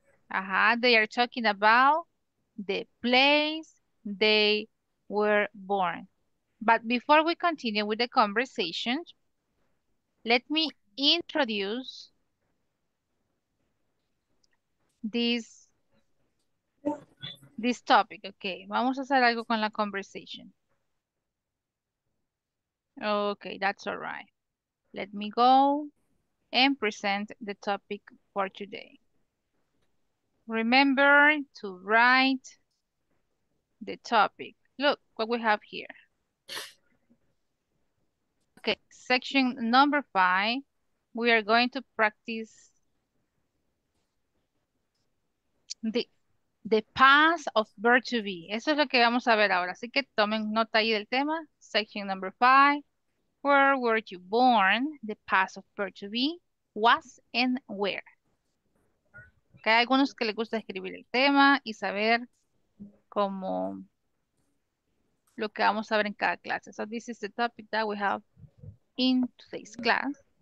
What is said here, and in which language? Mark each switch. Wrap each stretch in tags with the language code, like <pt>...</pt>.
<en>They are talking about the place they were born. But before we continue with the conversation, let me introduce this topic.</en> <es>Okay, vamos a hacer algo con la conversation.</es> <en>Okay, that's all right. Let me go and present the topic for today. Remember to write the topic. Look what we have here. Okay, section number 5. We are going to practice the past of verb to be.</en> <es>Eso es lo que vamos a ver ahora. Así que tomen nota ahí del tema.</es> <en>Section number 5. Where were you born? The past of verb to be. Was and where.</en> <es>Okay, hay algunos que les gusta escribir el tema y saber cómo lo que vamos a ver en cada clase.</es> <en>So this is the topic that we have in today's class.</en>